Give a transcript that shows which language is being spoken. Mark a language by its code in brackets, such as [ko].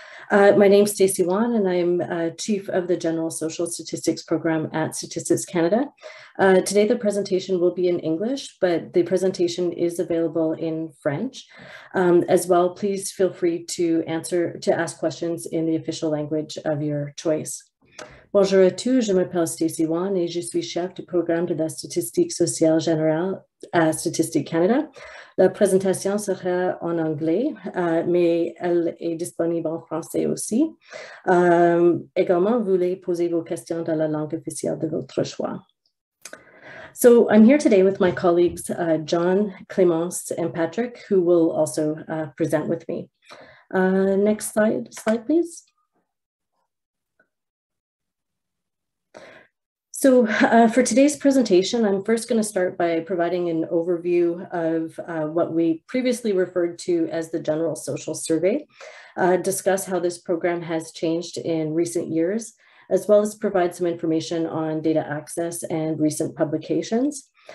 [en] My name is Stacey Wan, and I'm Chief of the General Social Statistics Program at Statistics Canada. Today, the presentation will be in English, but the presentation is available in French. As well, please feel free to ask questions in the official language of your choice. [fr] Bonjour à tous, je m'appelle Stacey Wan et je suis chef du programme de la statistique sociale générale à Statistique Canada. La présentation sera en anglais, mais elle est disponible en français aussi. Également, vous voulez poser vos questions dans la langue officielle de votre choix. [en] So I'm here today with my colleagues, John, Clémence, and Patrick, who will also present with me. Next slide, please. So for today's presentation, I'm first going to start by providing an overview of what we previously referred to as the General Social Survey, discuss how this program has changed in recent years, as well as provide some information on data access and recent publications.